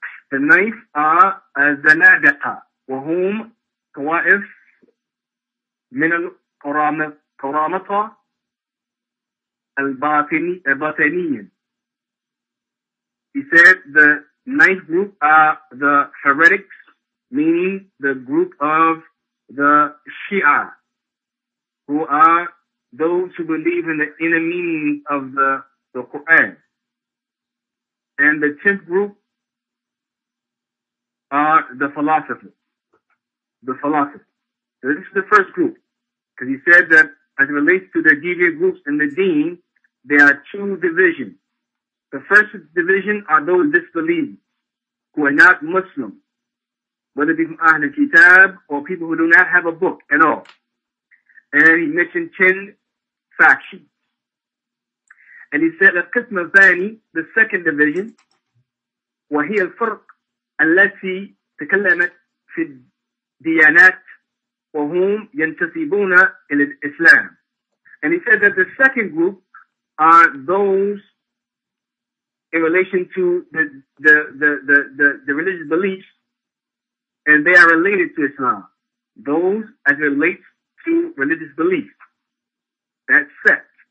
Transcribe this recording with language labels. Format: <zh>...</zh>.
<en>The ninth are Zanadiqa,</en> <ar>وهم طوائف من القرامطة الباطنيين.</ar> <en>He said the ninth group are the heretics, meaning the group of the Shia, who are those who believe in the inner meaning of the Quran. And the tenth group are the philosophers. The philosophers. So this is the first group. Because he said that as it relates to the deviant groups and the deen, there are two divisions. The first division are those disbelievers who are not Muslim, whether it be from Ahlul Kitab or people who do not have a book at all. And he mentioned 10 factions. And he said that Qism al-Thani, the second division,</en> <ar>وهي الفرق التي تكلمت في الديانات وهم ينتسبون إلى الإسلام.</ar> <en>And he said that the second group are those in relation to the religious beliefs, and they are related to Islam. Those as it relates to religious beliefs. That's set.</en>